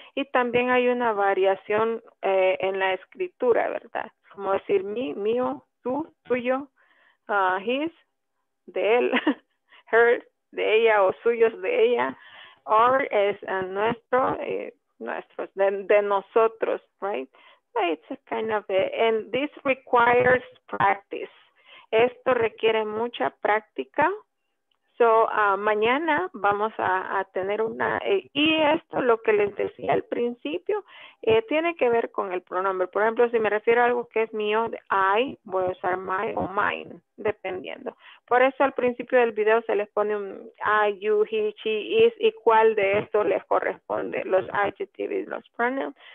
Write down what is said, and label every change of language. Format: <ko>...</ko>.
<es>Y también hay una variación en la escritura, ¿verdad? Como decir mi, mío, tú, tuyo, his, de él, her, de ella, o suyos de ella, or es nuestro, nuestros, de nosotros, right?</es> <en>But it's a kind of, and this requires practice.</en> <es>Esto requiere mucha práctica. So, mañana vamos a tener una, y esto lo que les decía al principio, tiene que ver con el pronombre. Por ejemplo, si me refiero a algo que es mío, I, voy a usar my o mine, dependiendo. Por eso al principio del video se les pone un I, you, he, she, is, y cuál de esto les corresponde, los adjectives, los pronouns.</es>